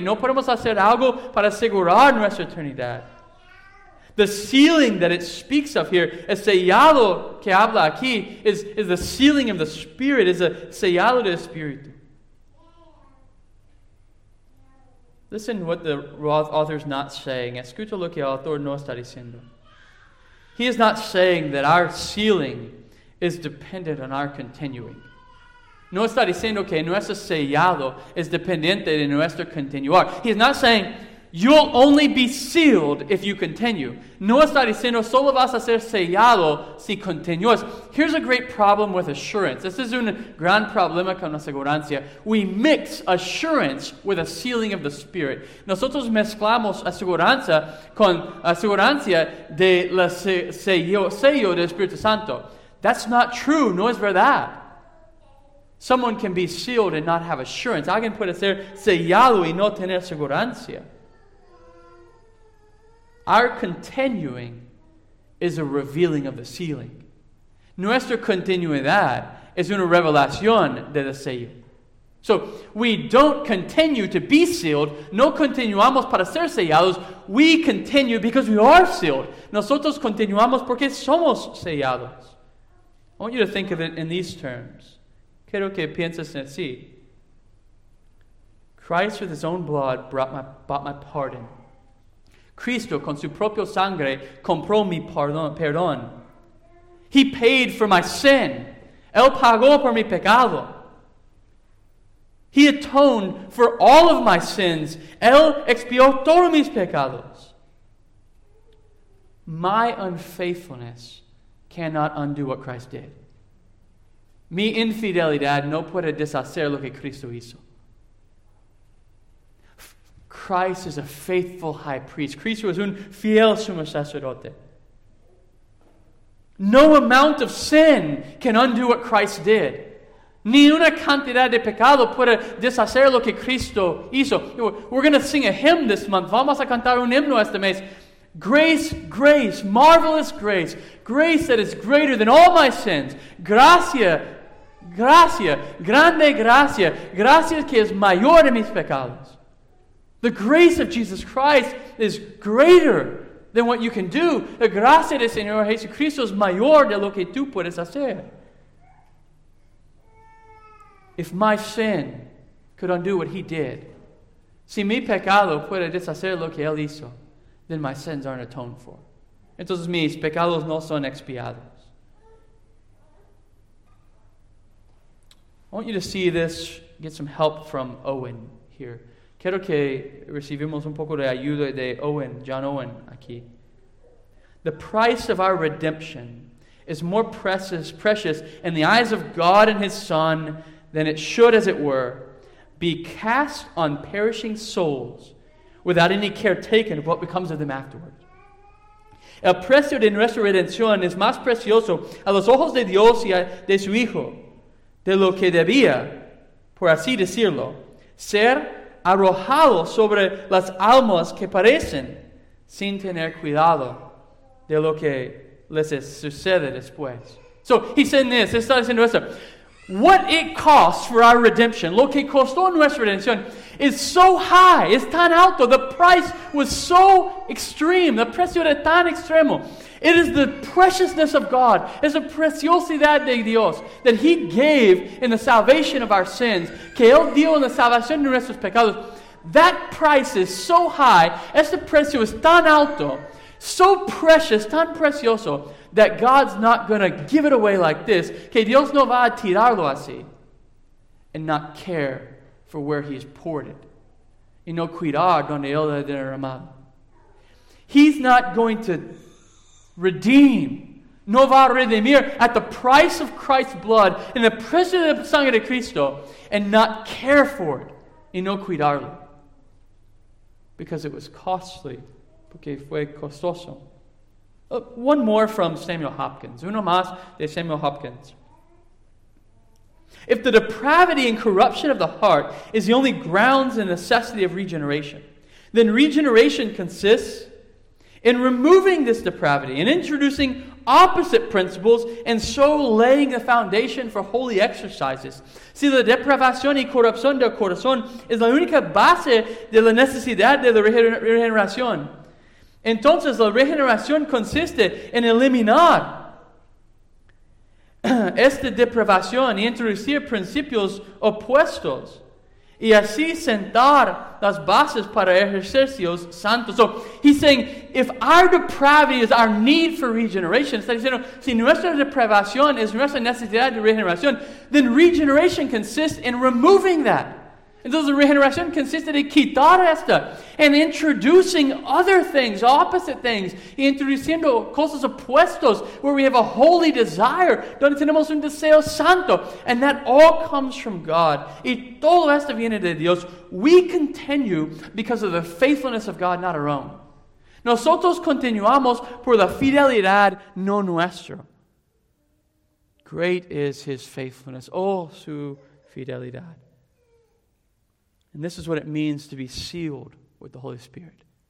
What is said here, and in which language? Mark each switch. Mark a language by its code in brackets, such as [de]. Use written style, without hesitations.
[es] No podemos hacer algo para asegurar nuestra eternidad. [en] The sealing that it speaks of here, [es] el sellado que habla aquí, [en] is the sealing of the Spirit, is a [es] sellado del Espíritu. [en] Listen what the author is not saying. [es] Escucha lo que el autor no está diciendo. [en] He is not saying that our sealing is dependent on our continuing. [es] No está diciendo que nuestro sellado es dependiente de nuestro continuar. [en] He is not saying you'll only be sealed if you continue. [es] No está diciendo solo vas a ser sellado si continúas. [en] Here's a great problem with assurance. This is [es] un gran problema con la asegurancia. [en] We mix assurance with a sealing of the Spirit. [es] Nosotros mezclamos asegurancia con asegurancia de la sello del Espíritu Santo. [en] That's not true. [es] No es verdad. [en] Someone can be sealed and not have assurance. [es] Alguien puede ser sellado y no tener asegurancia. [en] Our continuing is a revealing of the sealing. [es] Nuestra continuidad es una revelación de la sello. [en] So, we don't continue to be sealed. [es] No continuamos para ser sellados. [en] We continue because we are sealed. [es] Nosotros continuamos porque somos sellados. [en] I want you to think of it in these terms. [es] Quiero que pienses así. [en] Christ with his own blood bought my pardon. [es] Cristo, con su propio sangre, compró mi perdón. [en] He paid for my sin. [es] Él pagó por mi pecado. [en] He atoned for all of my sins. [es] Él expió todos mis pecados. [en] My unfaithfulness cannot undo what Christ did. [es] Mi infidelidad no puede deshacer lo que Cristo hizo. [en] Christ is a faithful high priest. [es] Cristo es un fiel sumo sacerdote. [en] No amount of sin can undo what Christ did. [es] Ni una cantidad de pecado puede deshacer lo que Cristo hizo. [en] We're going to sing a hymn this month. [es] Vamos a cantar un himno este mes. [en] Grace, grace, marvelous grace. Grace that is greater than all my sins. [es] Gracia, gracia, grande gracia. Gracia que es mayor de mis pecados. [en] The grace of Jesus Christ is greater than what you can do. [es] La gracia del Señor Jesucristo es mayor de lo que tú puedes hacer. [en] If my sin could undo what he did, [es] si mi pecado puede deshacer lo que él hizo, [en] then my sins aren't atoned for. [es] Entonces mis pecados no son expiados. [en] I want you to see this, get some help from Owen here. [es] Quiero que recibimos un poco de ayuda de Owen, John Owen, aquí. [en] The price of our redemption is more precious in the eyes of God and His Son than it should, as it were, be cast on perishing souls without any care taken of what becomes of them afterward. [es] El precio de nuestra redención es más precioso a los ojos de Dios y de su Hijo de lo que debía, por así decirlo, ser arrojado sobre las almas que parecen sin tener cuidado de lo que les sucede después. [en] So, he's saying this. [es] Está diciendo esto. [en] What it costs for our redemption, [es] lo que costó nuestra redención, [en] is so high, [es] es tan alto. [en] The price was so extreme. The [es] precio era tan extremo. [en] It is the preciousness of God. [es] Es la preciosidad de Dios [en] that He gave in the salvation of our sins. [es] Que Él dio en la salvación de nuestros pecados. [en] That price is so high. [es] Este precio es tan alto. [en] So precious, [es] tan precioso, [en] that God's not going to give it away like this. [es] Que Dios no va a tirarlo así. [en] And not care for where He has poured it. [es] Y no cuidar donde Él ha derramado. [en] He's not going to redeem, [es] no va a redimir [en] at the price of Christ's blood in the precious of the [es] sangre de Cristo [en] and not care for it [es] y no cuidarlo [en] because it was costly [es] porque fue costoso. [en] One more from Samuel Hopkins. [es] Uno más de Samuel Hopkins. [en] If the depravity and corruption of the heart is the only grounds and necessity of regeneration, then regeneration consists in removing this depravity and introducing opposite principles and so laying the foundation for holy exercises. [es] Si la depravación y corrupción del corazón es la única base de la necesidad de la regeneración, entonces la regeneración consiste en eliminar esta depravación y introducir principios opuestos. y así sentar las bases para ejercicios santos. [en] So he's saying, if our depravity is our need for regeneration, [es] está diciendo, si nuestra depravación es nuestra necesidad de regeneración, [en] then regeneration consists in removing that. [es] Entonces, la regeneración consiste en quitar esta [en] and introducing other things, opposite things, [es] y introduciendo cosas opuestas [en] where we have a holy desire, [es] donde tenemos un deseo santo. [en] And that all comes from God. [es] Y todo esto viene de Dios. [en] We continue because of the faithfulness of God, not our own. [es] Nosotros continuamos por la fidelidad no nuestra. [en] Great is His faithfulness. [es] Oh, su fidelidad. [en] And this is what it means to be sealed with the Holy Spirit.